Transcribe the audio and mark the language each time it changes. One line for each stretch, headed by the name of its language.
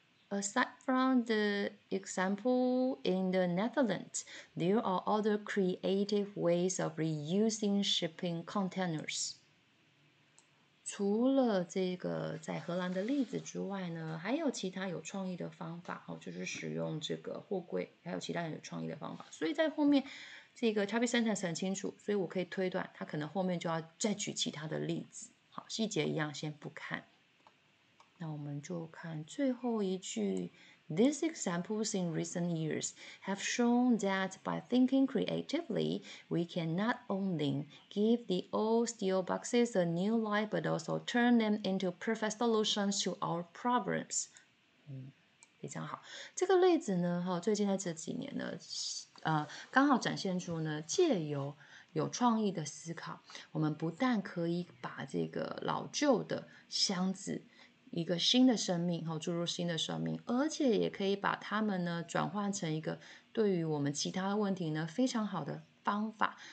English: Aside from the example in the Netherlands, there are other creative ways of reusing shipping containers.
Chinese: 除了这个在荷兰的例子之外呢，还有其他有创意的方法，就是使用这个货柜，还有其他有创意的方法。所以在后面这个 Chubby Sentence 很清楚，所以我可以推断他可能后面就要再举其他的例子。好，细节一样先不看，那我们就看最后一句。
English: These examples in recent years have shown that by thinking creatively, we can not only give the old steel boxes a new life, but also turn them into perfect solutions to our problems.
Chinese: 非常好，这个例子呢，最近在这几年呢，刚好展现出呢，借由有创意的思考，我们不但可以把这个老旧的箱子一个新的生命，注入新的生命，而且也可以把它们呢转换成一个对于我们其他问题呢非常好的方法。